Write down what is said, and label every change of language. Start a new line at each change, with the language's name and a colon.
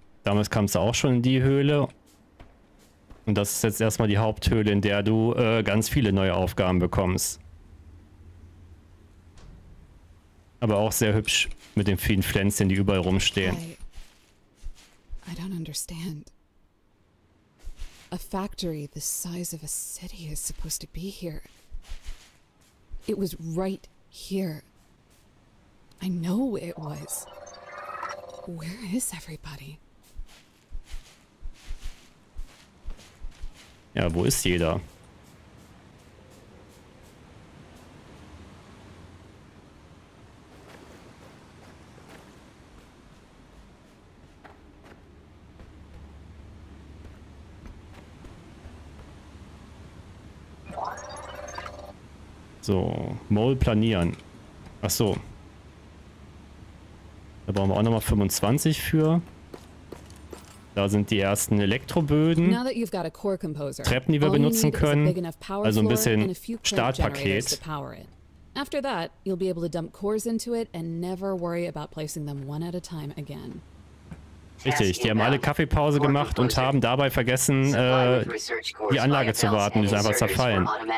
German: Damals kamst du auch schon in die Höhle. Und das ist jetzt erstmal die Haupthöhle, in der du ganz viele neue Aufgaben bekommst. Aber auch sehr hübsch mit den vielen Pflänzchen, die überall rumstehen.
English: I don't understand. A factory the size of a city is supposed to be here. It was right here. I know it was. Where is everybody?
German: Ja, wo ist jeder? So, Mole planieren. Ach so. Da brauchen wir auch nochmal 25 für. Da sind die ersten Elektroböden, Treppen, die wir benutzen können, also ein bisschen Startpaket.
English: After that, you'll be able to dump cores into it and never worry about placing them one at a time again.
German: Richtig, die haben alle Kaffeepause gemacht und haben dabei vergessen, die Anlage zu warten, die ist einfach zerfallen.